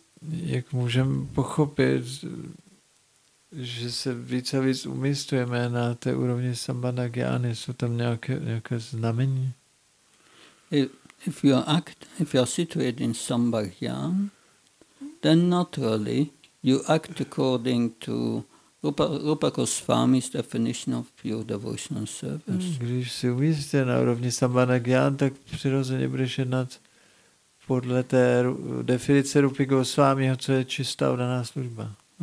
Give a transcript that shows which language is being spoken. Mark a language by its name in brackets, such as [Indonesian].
[Czech] Jak můžeme pochopit, že se více a víc umístujeme na té úrovni sambandha gyány? Jsou tam nějaké znamení? [English] If you act, if you are situated in sambandha gyán, then naturally you act according to Rupa Goswami's definition of pure devotional service. [Czech] Když se umístíte na úrovni sambandha gyán, tak přirozeně budeš jednat podle té definice Rupy Goswámiho, co je čistá vdaná služba.